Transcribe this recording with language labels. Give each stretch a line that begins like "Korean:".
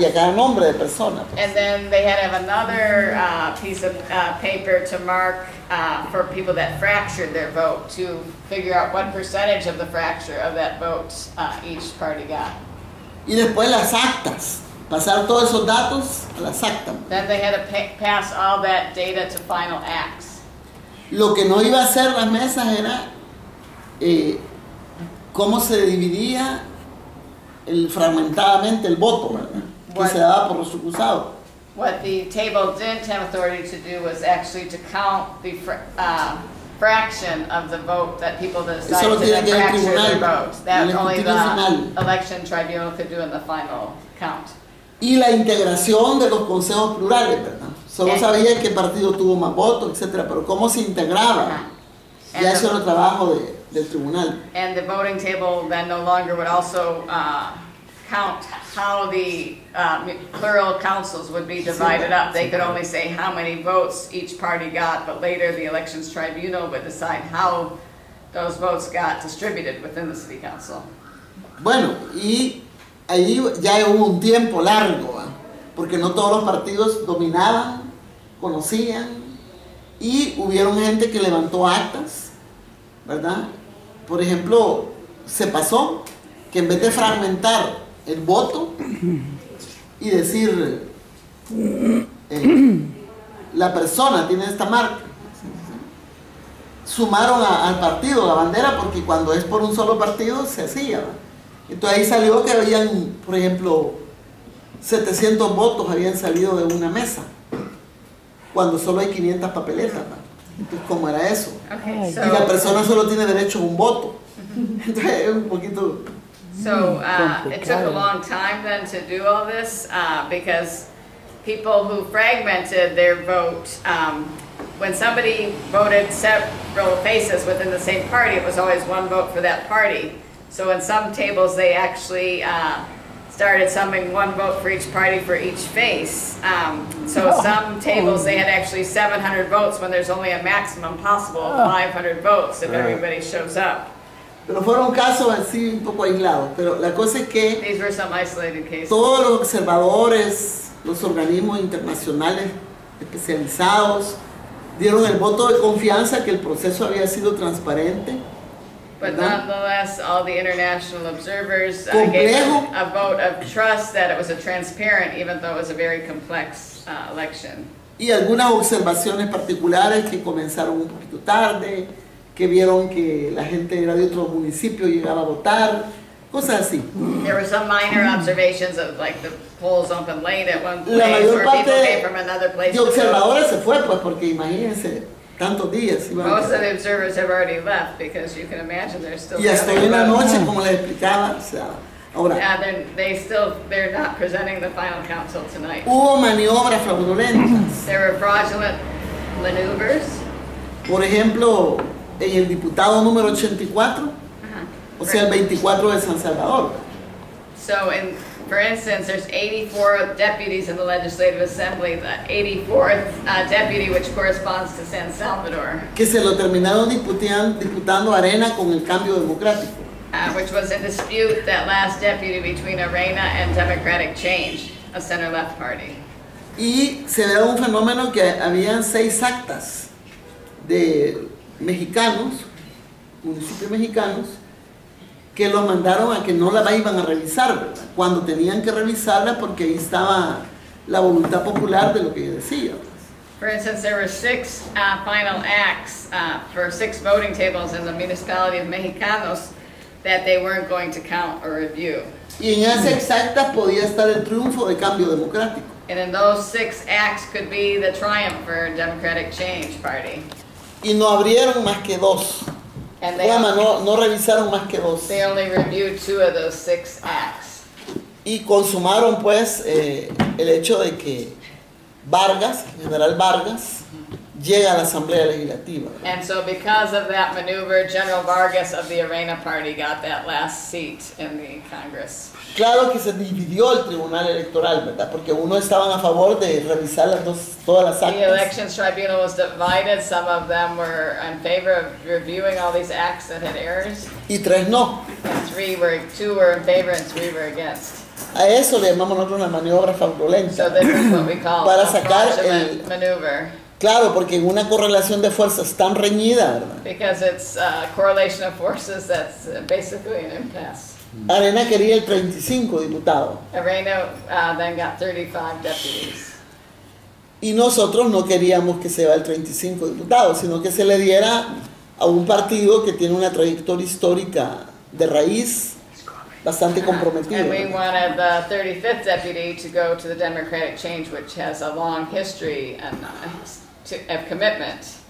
Spanish: A cada nombre de persona. Pues.
English: And then they had to have another piece of paper to mark for people that fractured their vote to figure out what percentage of the fracture of that vote each party got.
Spanish: Y después las actas, pasar todos esos datos a las actas.
English: Then they had to pass all that data to final acts.
Spanish: Lo que no iba a hacer las mesas era cómo se dividía el fragmentadamente el voto, ¿verdad? Que se daba por los cruzados.
English: What the table didn't have authority to do was actually to count the fraction of the vote that people decided
Spanish: eso lo tiene
English: to
Spanish: que
English: fracture
Spanish: el tribunal,
English: their vote. That only the final. Election tribunal could do in the final count.
Spanish: Y la integración de los consejos plurales, ¿verdad? Solo sabía qué partido tuvo más votos, etcétera, pero cómo se integraba. Ya eso era el trabajo del tribunal.
English: And the voting table then no longer would also count how the plural councils would be divided up. They could only say how many votes each party got, but later the elections tribunal would decide how those votes got distributed within the city council.
Spanish: Bueno, y ahí ya hubo un tiempo largo, ¿eh? Porque no todos los partidos dominaban, conocían, y hubieron gente que levantó actas, ¿verdad? Por ejemplo, se pasó que en vez de fragmentar el voto y decir la persona tiene esta marca, sumaron al partido la bandera porque cuando es por un solo partido se hacía. Entonces ahí salió que habían, por ejemplo, 700 votos habían salido de una mesa cuando solo hay 500 papeletas, ¿verdad? Entonces, ¿cómo era eso?
English: Okay, so,
Spanish: y la persona solo tiene derecho a un voto. Entonces, un poquito.
English: So, it took a long time then to do all this because people who fragmented their vote. When somebody voted several faces within the same party, it was always one vote for that party. So in some tables, they actually started summing one vote for each party for each face. Some tables, they had actually 700 votes when there's only a maximum possible of 500 votes if everybody shows up.
Spanish: Pero fueron casos así un poco aislados. Pero la cosa es que
English: these were some isolated cases.
Spanish: Todos los observadores, los organismos internacionales especializados, dieron el voto de confianza que el proceso había sido transparente.
English: But nonetheless, all the international observers gave a vote of trust that it was a transparent, even though it was a very complex election.
Spanish: Y algunas observaciones particulares que comenzaron un poquito tarde, que vieron que la gente era de otro municipio llegaba a votar, cosas así.
English: There were some minor observations of like the polls open late at one place, where people came from another place.
Spanish: Y observadores se fue, pues, porque imagínense. Tantos días,
English: most of the observers have already left because you can imagine they're still.
Spanish: Y hasta en la noche, como les explicaba, o sea, ahora.
English: Yeah, they're not presenting the final count till tonight.
Spanish: Hubo maniobras fraudulentas.
English: There were fraudulent maneuvers.
Spanish: Por ejemplo, en el diputado número 84, o sea, el 24 de San Salvador.
English: So in, for instance, there's 84 deputies in the Legislative Assembly, the 84th deputy, which corresponds to San Salvador.
Spanish: Que se lo terminaron disputando Arena con el cambio democrático.
English: Which was in dispute, that last deputy, between Arena and Democratic Change, a center-left party.
Spanish: Y se ve un fenómeno que habían seis actas de mexicanos, municipios mexicanos, que lo mandaron a que no la iban a revisar, ¿verdad? Cuando tenían que revisarla porque ahí estaba la voluntad popular de lo que decía.
English: For instance, there were six final acts for six voting tables in the municipality of Mexicanos that they weren't going to count or review.
Spanish: Y en esas exactas podía estar el triunfo de cambio democrático.
English: And in those six acts could be the triumph for Democratic Change Party.
Spanish: Y no abrieron más que dos.
English: And they,
Spanish: no revisaron más que dos.
English: They only reviewed two of those six acts.
Spanish: Y consumaron, pues, el hecho de que Vargas, General Vargas, llega a la Asamblea Legislativa.
English: And so because of that maneuver, General Vargas of the Arena Party got that last seat in the Congress.
Spanish: Claro que se dividió el Tribunal Electoral, ¿verdad? Porque uno estaban a favor de revisar las dos, todas las actas.
English: The Elections Tribunal was divided. Some of them were in favor of reviewing all these acts that had errors.
Spanish: Y tres no.
English: And two were in favor and three were against.
Spanish: A eso le llamamos nosotros una maniobra fraudulenta.
English: So this is what we call
Spanish: para sacar
English: a fraudulent maneuver.
Spanish: Claro, porque en una correlación de fuerzas tan reñida, ¿verdad?
English: Because it's a correlation of forces that's basically an impasse.
Spanish: Arena quería el 35 diputado.
English: Arena then got 35 deputies.
Spanish: Y nosotros no queríamos que se va el 35 diputado, sino que se le diera a un partido que tiene una trayectoria histórica de raíz bastante comprometida.
English: And we wanted the 35th deputy to go to the Democratic Change, which has a long history and of commitment.